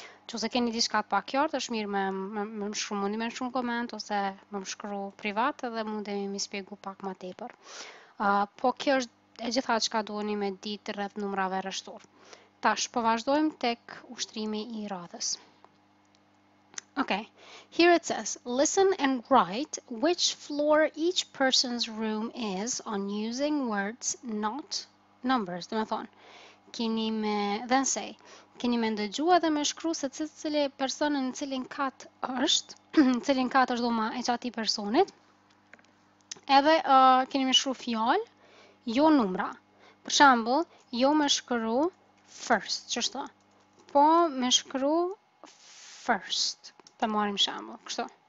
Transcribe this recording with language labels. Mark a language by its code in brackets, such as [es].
[sq] Që se keni diçka të pakjartë, është mirë me më shkru, mundi me më shumë koment, ose me më shkru privat, edhe mundemi mi spjegu pak ma tepër. Po kjo është e gjitha që ka duoni me ditë rreth numrave rështur. Tash, po vazhdojmë tek ushtrimi i radhës. [en] Okay, here it says, listen and write which floor each person's room is on using words, not numbers. [sq] Dhe me thonë, keni me, [en] then say, [sq] keni me ndëgju edhe me shkru se cilë personën cilin kat është dhoma e qati personit, edhe keni me shkru fjall, jo numra. Për shambull, jo me shkru first, qështu, po me shkru first, të marim shambull, kështu.